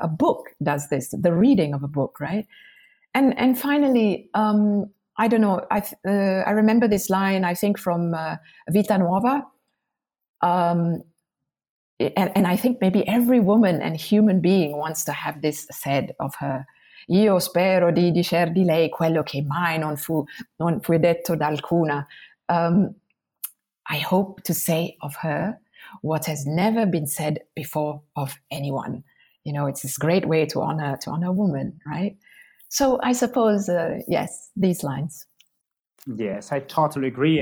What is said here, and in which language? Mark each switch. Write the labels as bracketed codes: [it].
[en] A book does this, the reading of a book, right? And finally, I don't know, I remember this line, I think, from Vita Nuova. And I think maybe every woman and human being wants to have this said of her. [it] Io spero di dicer di lei quello che mai non fu detto da alcuna. [en] I hope to say of her what has never been said before of anyone. You know, it's this great way to honor a woman, right? So I suppose, yes, these lines. Yes, I totally agree.